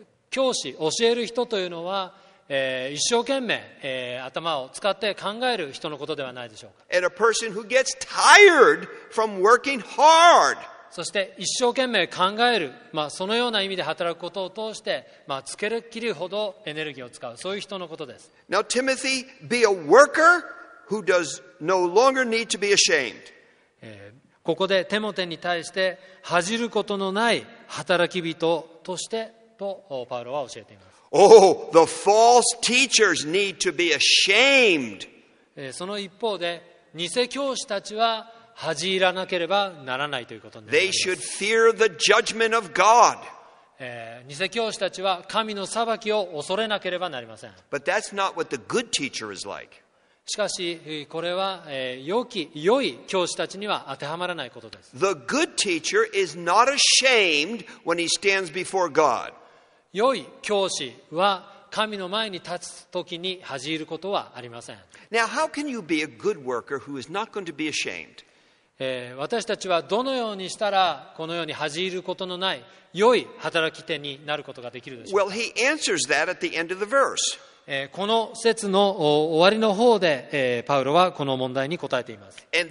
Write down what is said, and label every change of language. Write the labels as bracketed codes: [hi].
[ja] 教師、教える人というのは、一生懸命、頭を使って考える人のことではないでしょうか。 [en] And a person who gets tired from working hard. [ja] そして一生懸命考える、そのような意味で働くことを通して、つけるっきりほどエネルギーを使う、そういう人のことです。 [en] Now, Timothy, be a workerWho does no longer need to be ashamed. [ja] ここでテモテに対して恥じることのない働き人としてとパウロは教えています。 [en] Oh, the false teachers need to be ashamed. [ja] その一方で偽教師たちは恥じらなければならないということになります [en] They should fear the judgment of God. [ja] 偽教師たちは神の裁きを恐れなければなりません。 [en] But that's not what the good teacher is like. [ja] しかしこれは良い教師たちには当てはまらないことです。 [en] The good teacher is not ashamed when he stands before God. [ja] 良い教師は神の前に立つときに恥じることはありません。 [en] Now, how can you be a good worker who is not going to be ashamed? [ja] 私たちはどのようにしたらこのように恥じることのない良い働き手になることができるでしょうか。 [en] Well, he at the end of the verse. [ja] この節の終わりの方で、パウロはこの問題に答えています。